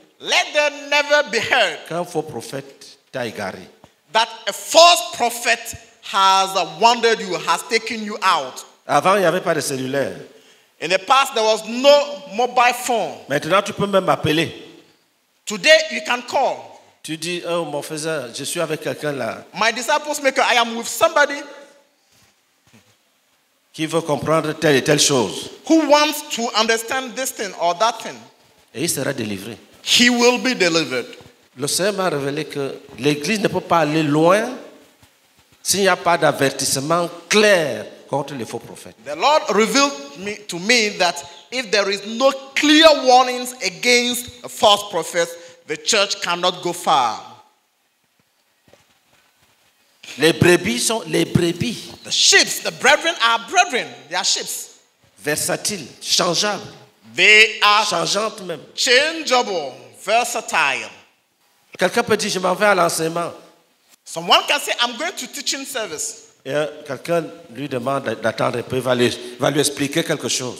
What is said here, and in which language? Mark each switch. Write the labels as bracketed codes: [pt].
[en] Let them never be heard. [fr] Qu'un faux prophète t'a égaré. [en] That a false prophet has wandered you, has taken you out. [fr] Avant, il n'y avait pas de cellulaire. [en] In the past, there was no mobile phone. [fr] Maintenant, tu peux même m'appeler. [en] Today, you can call. [fr] Tu dis, oh, mon faiseur, je suis avec quelqu'un là. [en] My disciples maker, I am with somebody. [fr] Qui veut comprendre telle et telle chose. [en] Who wants to understand this thing or that thing. [fr] Et il sera délivré. [en] He will be delivered. [fr] Le Seigneur m'a révélé que l'Église ne peut pas aller loin s'il n'y a pas d'avertissement clair contre les faux prophètes. [en] The Lord revealed to me that if there is no clear warnings against a false prophet, the church cannot go far. [fr] Les brebis sont les brebis. [en] The sheep, the brethren are brethren. They are sheep. [fr] Versatiles, changeables. [en] They are [fr] changeantes même. [en] Changeable, versatile. [fr] Quelqu'un peut dire, je m'en vais à l'enseignement. [en] Someone can say, I'm going to teaching service. [fr] Et quelqu'un lui demande d'attendre, puis va lui expliquer quelque chose.